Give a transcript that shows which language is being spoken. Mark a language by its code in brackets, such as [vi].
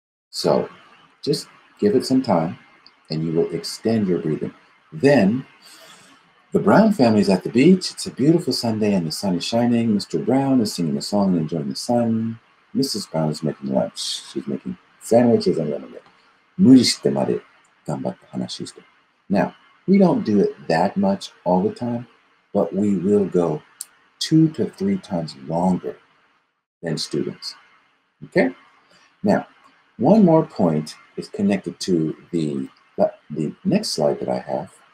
[en] So, just give it some time, and you will extend your breathing. Then, the Brown family is at the beach. It's a beautiful Sunday, and the sun is shining. Mr. Brown is singing a song and enjoying the sun. Mrs. Brown is making lunch. She's making sandwiches and lemonade. [ja] 無理してまで頑張って話して。 [en] Now,We don't do it that much all the time, but we will go 2 to 3 times longer than students. Okay? Now, one more point is connected to the next slide that I have.